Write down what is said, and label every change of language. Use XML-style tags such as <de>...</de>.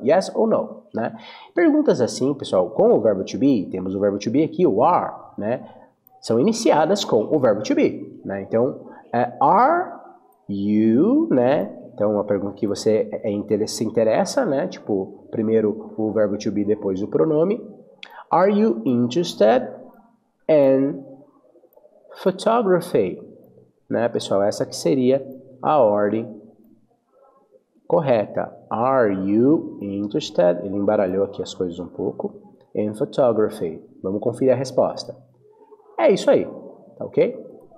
<pt>Yes ou no, né? Perguntas assim, pessoal, com o verbo to be, temos o verbo to be aqui, o are, né? São iniciadas com o verbo to be, né? Então, are you, né? Então, uma pergunta que você se interessa, né? Tipo, primeiro o verbo to be, depois o pronome.</pt> <en>Are you interested in photography?</en> <pt>Né, pessoal, essa que seria a ordem correta.</pt> <en>Are you interested?</en> <pt>Ele embaralhou aqui as coisas um pouco.</pt> <en>In photography.</en> <pt>Vamos conferir a resposta. É isso aí, tá ok?</pt>